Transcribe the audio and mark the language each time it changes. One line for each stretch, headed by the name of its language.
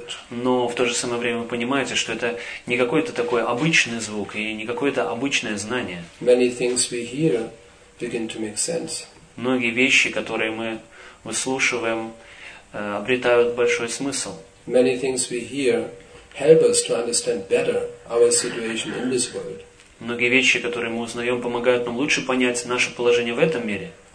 Russian: Но в то же самое время вы понимаете, что это не какой-то такой обычный звук и не какое-то обычное знание.
English: Many things we hear begin to make sense.
Russian: Многие вещи, которые мы выслушиваем, обретают большой смысл.
English: Many things we hear help us to understand better our situation in this world.
Russian: Многие вещи, которые мы узнаем, помогают нам лучше понять наше положение в этом мире.